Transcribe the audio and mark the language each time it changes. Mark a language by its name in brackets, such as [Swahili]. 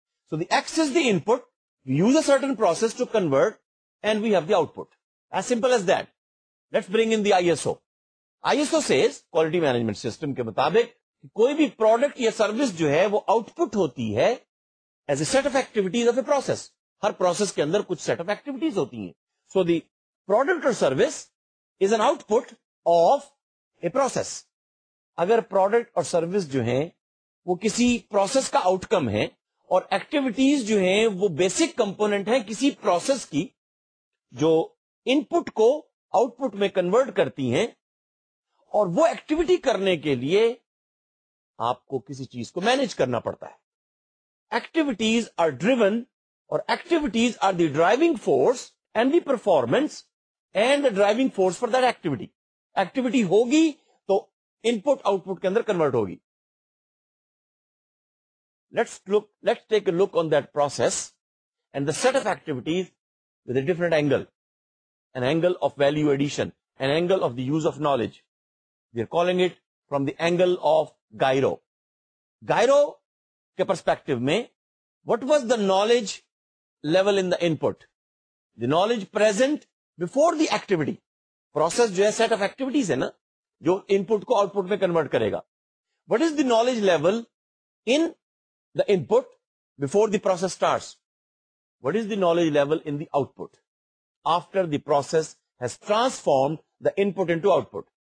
[English] So the X is the input, we use a certain process to convert and we have the output, as simple as that. Let's bring in the I S O. [Urdu] I S O Cs quality management system کے مطابق کوئی بھی product یا service جو ہے وہ out put ہوتی ہے [English] As a set of activities of a process. [Urdu] Hare process کے اندر کچھ سیٹ آف ایکٹیویٹیز ہوتی ہیں. [English] So the product اور service is an output of a process. [Urdu] اگر پروڈکٹ اور سروس جو ہیں وہ کسی پروسیس کا آؤٹ کم ہے اور ایکٹیویٹیز جو ہیں وہ بیسک کمپونیٹ ہیں کسی پروسیس کی جو ان پٹ کو آؤٹ پٹ میں کنورٹ کرتی ہیں، اور وہ ایکٹیویٹی کرنے کے لیے آپ کو کسی چیز کو مینج کرنا پڑتا ہے. [English] Activities are driven اور activities are the driving force and the performance and the driving force for that activity. [Urdu] Activity ہوگی تو ان پٹ آؤٹ پٹ کے اندر کنورٹ ہوگی. [English] Let's take a look on that process and the set of activities with a different angle, an angle of value addition, an angle of the use of knowledge. We are calling it from the angle of gyro. [Urdu] گائرو کے perspective میں [English] What was the knowledge level in the input, the knowledge present before the activity. [Urdu] Process جو ہے set of activities ہے نا جو ان پٹ کو out put میں convert کرے گا. [English] What is the knowledge level in the input before the process starts, what is the knowledge level in the output after the process has transformed the input into output.